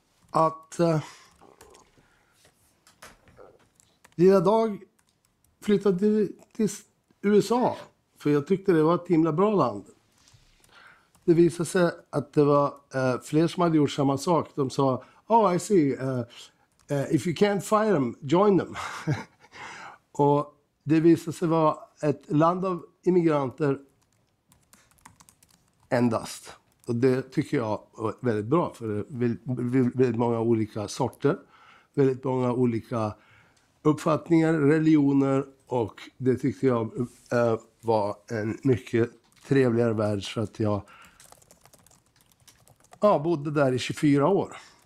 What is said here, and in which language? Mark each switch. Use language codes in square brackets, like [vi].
[sv] Att lilla dag flyttade till USA. För jag tyckte det var ett himla bra land. Det visade sig att det var fler som hade gjort samma sak. De sa, [en] oh, I see. If you can't fire them, join them. [sv] Och det visade sig vara ett land av immigranter endast. Och det tycker jag är väldigt bra. För det är väldigt många olika sorter. Väldigt många olika uppfattningar, religioner, och det tyckte jag var en mycket trevligare värld för att jag bodde där i 24 år.